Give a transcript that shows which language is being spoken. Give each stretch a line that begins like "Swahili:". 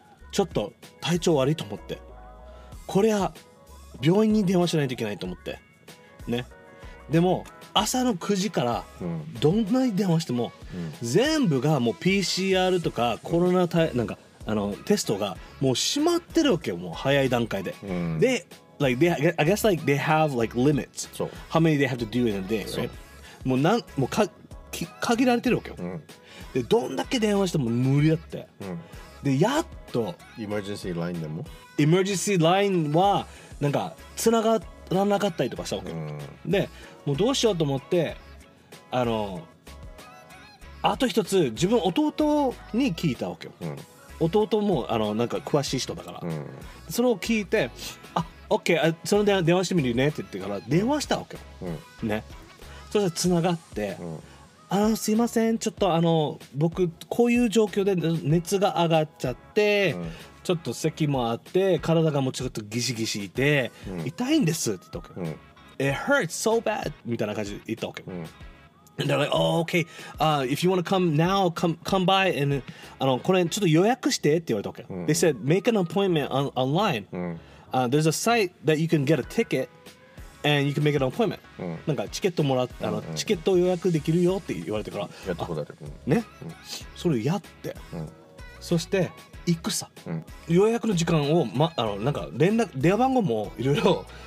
Japanese: ちょっと体調悪いと思ってこれは病院に電話しないといけないと思ってねでも朝の9時からどんなに電話しても全部がもう PCR とかコロナ対なんかあのテストがもう閉まってるわけよもう早い段階で、うん、
English: で like they, I guess like they have like limits how many they have to do in a day、right?
Japanese: もうなんもう限られてるわけよ、うん、でどんだけ電話しても無理だって、うん、でやっとエマージェンシーラインでもエマージェンシーラインはなんか繋がらなかったりとかしたわけ、うん、でもうどうしようと思ってあのあと一つ自分弟に聞いたわけよ、うん、弟もあのなんか詳しい人だから、うん、それを聞いてあオッケーその電話してみるねって言ってから電話したわけよ、うん、ねそして繋がって、うんあのすいませんちょっとあの僕こういう状況で熱が上がっちゃって、うん、ちょっと咳もあって体がもうちょっとギシギシいて、うん、痛いんですって言ったわけ、うん、
English: It hurts so bad
Japanese: みたいな感じで言ったわけ、うん、
English: And they're like, oh, okay. If you want to come now, come by.
Japanese: And, これちょっと予約してって言われたわけ。
English: They said, make an appointment online. There's a site that you can get a ticket and you can make an appointment.
Japanese: なんかチケットもらって、チケット予約できるよって言われてから。やったことある。ね。それやって。そして、行くさ。予約の時間を、なんか連絡、電話番号もいろいろ。